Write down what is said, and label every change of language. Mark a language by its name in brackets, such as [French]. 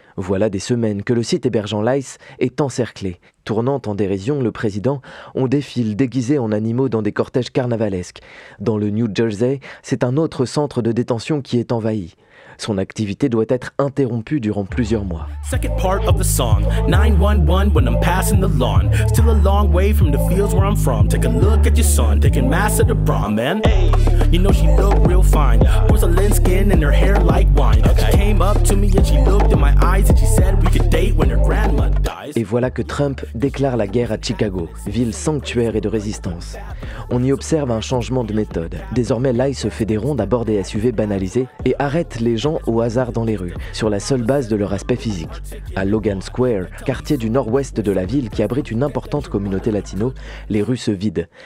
[French] Voilà des semaines que le site hébergeant l'ICE est encerclé. Tournant en dérision le président, on défile déguisé en animaux dans des cortèges carnavalesques. Dans le New Jersey, c'est un autre centre de détention qui est envahi. Son activité doit être interrompue durant plusieurs mois. [English] Second part of the song, 911 when I'm passing the lawn. Still a long way from the fields where I'm from. Take a look at your son, taking mass of the brawn, man. Hey, you know she looked real fine. Porcelain skin and her hair like wine. She came up to me and she looked in my eyes and she said we could date when her grandma dies. [French] Et voilà que Trump déclare la guerre à Chicago, ville sanctuaire et de résistance. On y observe un changement de méthode. Désormais, l'ICE fait des rondes à bord des SUV banalisés et arrête les gens au hasard dans les rues, sur la seule base de leur aspect physique. À Logan Square, quartier du nord-ouest de la ville qui abrite une importante communauté latino, les rues se vident.